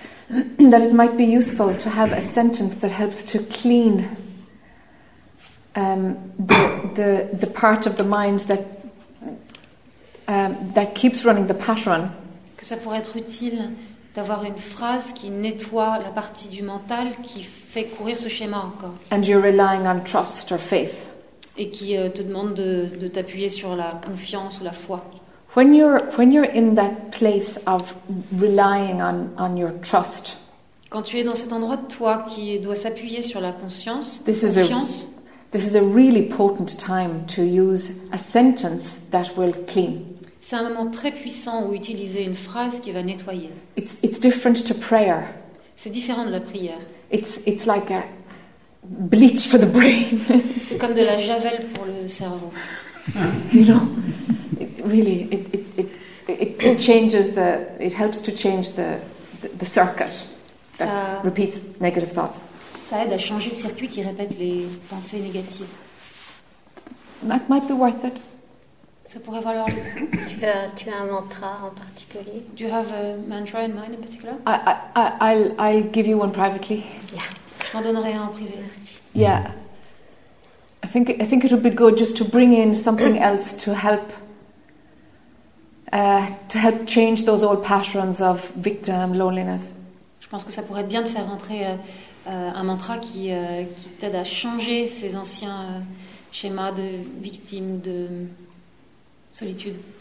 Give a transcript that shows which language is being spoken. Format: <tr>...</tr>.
<en>That it might be useful to have a sentence that helps to clean the part of the mind that that keeps running the pattern.</en> <fr>Que ça pourrait être utile d'avoir une phrase qui nettoie la partie du mental qui fait courir ce schéma encore.</fr> <en>And you're relying on trust or faith.</en> <fr>Et qui te demande de t'appuyer sur la confiance ou la foi.</fr> <en>When you're in that place of relying on your trust.</en> <fr>Quand tu es dans cet endroit de toi qui doit s'appuyer sur la conscience.</fr> <en>This</en> <fr>confiance,</fr> <en>is a This is a really potent time to use a sentence that will clean.</en> <fr>C'est un moment très puissant où utiliser une phrase qui va nettoyer.</fr> <en>It's different to prayer.</en> <fr>C'est différent de la prière.</fr> <en>It's like a bleach for the brain.</en> <fr>C'est comme de la javel pour le cerveau.</fr> <en>You know, it helps to change the circuit that</en> <fr>ça,</fr> <en>repeats negative thoughts.</en> <fr>Ça aide à changer le circuit qui répète les pensées négatives.</fr> <en>That might be worth it.</en> <fr>Ça pourrait valoir le coup. Tu as un mantra en particulier?</fr> <en>Do you have a mantra in mind in particular? I'll give you one privately. Yeah.</en> <fr>Je t'en donnerai un en privé.</fr> <en>Yeah. I think it would be good just to bring in something else to help change those old patterns of victim loneliness.</en> <fr>Je pense que ça pourrait être bien de faire rentrer un mantra qui t'aide à changer ces anciens schémas de victime de solitude.</fr>